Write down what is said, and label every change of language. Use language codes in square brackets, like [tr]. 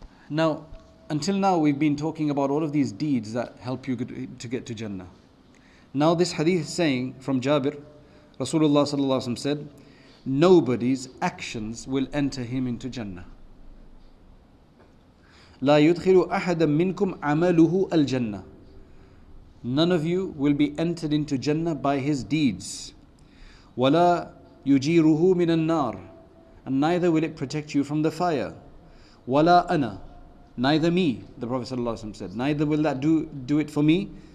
[en] Now, until now, we've been talking about all of these deeds that help you to get to Jannah. Now, this hadith is saying from Jabir, Rasulullah sallallahu alaihi wasallam said, nobody's actions will enter him into Jannah. [ar] لا يدخل أحد منكم عمله الجنة. [en] None of you will be entered into Jannah by his deeds. [ar] ولا يجيره من النار. [en] And neither will it protect you from the fire. [ar] ولا أنا. [en] Neither me, the Prophet sallallahu alaihi wasallam said. Neither will that do it for me.